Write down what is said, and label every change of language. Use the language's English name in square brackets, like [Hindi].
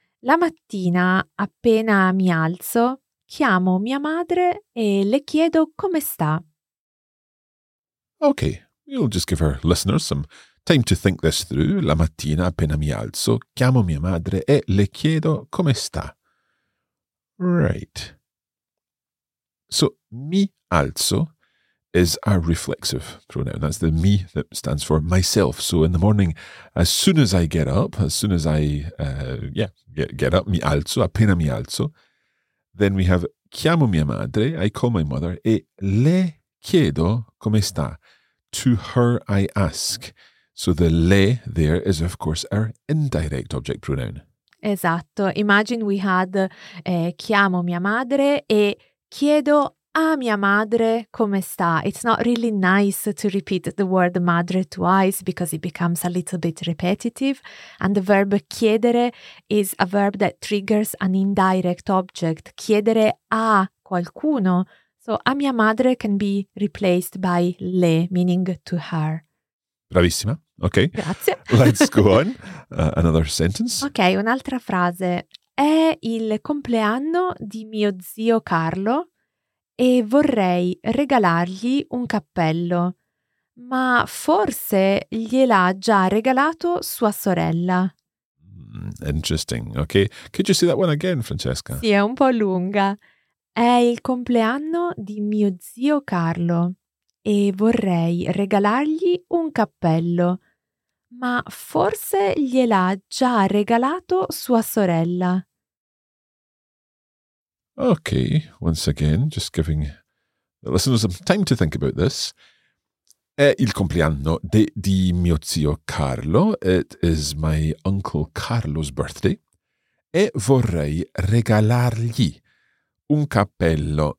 [Italian] La mattina, appena mi alzo, chiamo mia madre e le chiedo come sta. [English] Okay, we'll just give our listeners some time to think this through. [Italian] La mattina, appena mi alzo, chiamo mia madre e le chiedo come sta. [English] Right. So, [Italian] mi alzo [English] is a reflexive pronoun. That's the me that stands for myself. So, in the morning, as soon as I get up, as soon as I, get up, [Italian] mi alzo, appena mi alzo, [English] then we have [Italian] chiamo mia madre, [English] I call my mother, [Italian] e le chiedo come sta. [English] To her I ask. So the le there is, of course, our indirect object pronoun. [Italian] Esatto. [English] Imagine we had [Italian] chiamo mia madre e chiedo a mia madre come sta. [English] It's not really nice to repeat the word madre twice because it becomes a little bit repetitive. And the verb chiedere is a verb that triggers an indirect object. [Italian] Chiedere a qualcuno. [English] So [Italian] a mia madre [English] can be replaced by le, meaning to her. [Italian] Bravissima. Okay. Grazie. [English] Let's go on. Another sentence. [Italian] Okay, un'altra frase. È il compleanno di mio zio Carlo e vorrei regalargli un cappello, ma forse gliel'ha già regalato sua sorella. [English] Interesting. Okay. Could you say that one again, Francesca? [Italian] Sì, è un po' lunga. È il compleanno di mio zio Carlo e vorrei regalargli un cappello, ma forse gliel'ha già regalato sua sorella. [English] Okay, once again, just giving the listeners some time to think about this. [Italian] È il compleanno di mio zio Carlo. [English] It is my uncle Carlo's birthday. [Italian] E vorrei regalargli un cappello.